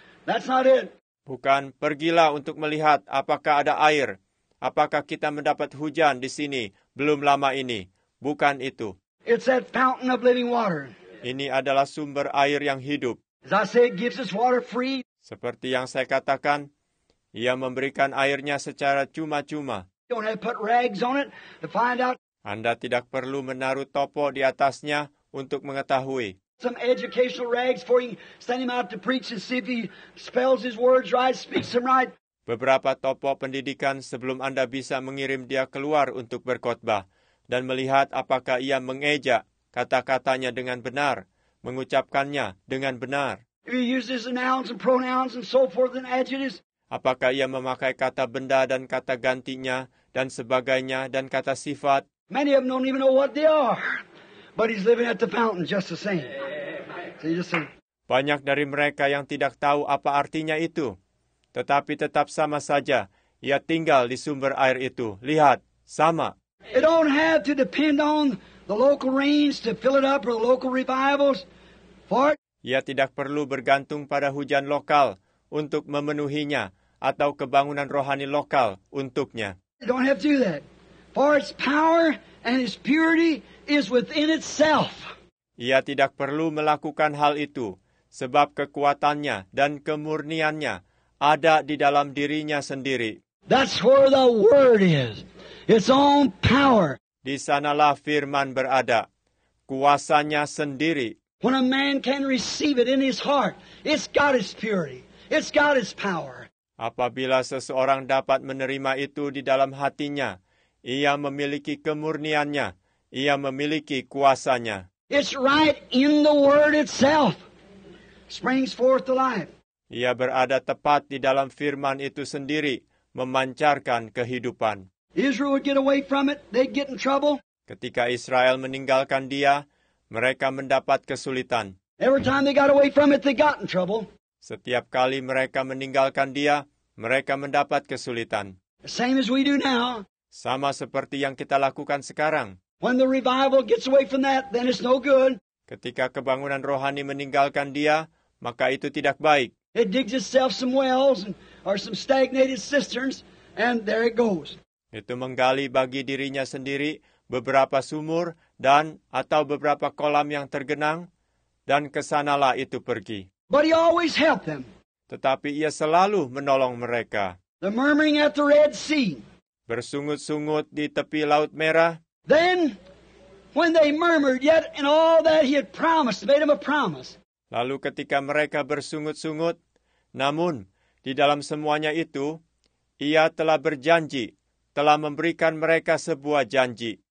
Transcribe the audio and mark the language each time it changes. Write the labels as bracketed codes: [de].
[en] That's not it. [id] Bukan pergilah untuk melihat apakah ada air, apakah kita mendapat hujan di sini belum lama ini. Bukan itu. [en] It's that fountain of living water. [id] Ini adalah sumber air yang hidup. [en] As I say, it gives us water free. [id] Seperti yang saya katakan, ia memberikan airnya secara cuma-cuma. [en] You don't have to put rags on it to find out. [id] Anda tidak perlu menaruh topo di atasnya untuk mengetahui. [en] Some educational rags for you, send him out to preach and see if he spells his words right, speaks them right. [id] Beberapa topo pendidikan sebelum Anda bisa mengirim dia keluar untuk berkhotbah dan melihat apakah ia mengeja kata-katanya dengan benar, mengucapkannya dengan benar. [en] He uses nouns and pronouns and so forth and adjectives. [id] Apakah ia memakai kata benda dan kata gantinya dan sebagainya dan kata sifat? [en] Many of them don't even know what they are, but he's living at the fountain just the same. So you just say, [id] banyak dari mereka yang tidak tahu apa artinya itu, tetapi tetap sama saja, ia tinggal di sumber air itu. Lihat, sama. [en] It don't have to depend on the local rains to fill it up or the local revivals for it. [id] Ia tidak perlu bergantung pada hujan lokal untuk memenuhinya atau kebangunan rohani lokal untuknya. [en] You don't have to do that. For its power and its purity is within itself. [id] Ia tidak perlu melakukan hal itu sebab kekuatannya dan kemurniannya ada di dalam dirinya sendiri. [en] That's where the word is. Its own power. [id] Di sanalah firman berada. Kuasanya sendiri. [en] When a man can receive it in his heart, it's got its purity. It's got its power. [id] Apabila seseorang dapat menerima itu di dalam hatinya, ia memiliki kemurniannya. Ia memiliki kuasanya. [en] It's right in the word itself. Springs forth to life. [id] Ia berada tepat di dalam firman itu sendiri, memancarkan kehidupan. [en] Israel would get away from it, they'd get in trouble. [id] Ketika Israel meninggalkan dia, mereka mendapat kesulitan. [en] Every time they got away from it, they got in trouble. [id] Setiap kali mereka meninggalkan dia, mereka mendapat kesulitan. [en] Same as we do now. [id] Sama seperti yang kita lakukan sekarang. [en] When the revival gets away from that, then it's no good. [id] Ketika kebangunan rohani meninggalkan dia, maka itu tidak baik. [en] It digs itself some wells or some stagnated cisterns, and there it goes. [id] Itu menggali bagi dirinya sendiri beberapa sumur dan atau beberapa kolam yang tergenang, dan kesanalah itu pergi. [en] But he always helped them. [id] Tetapi ia selalu menolong mereka. [en] The murmuring at the Red Sea. [id] Bersungut-sungut di tepi Laut Merah. [en] Then, when they murmured, yet in all that he had promised, made them a promise. [id] Lalu ketika mereka bersungut-sungut, namun di dalam semuanya itu, ia telah berjanji, telah memberikan mereka sebuah janji.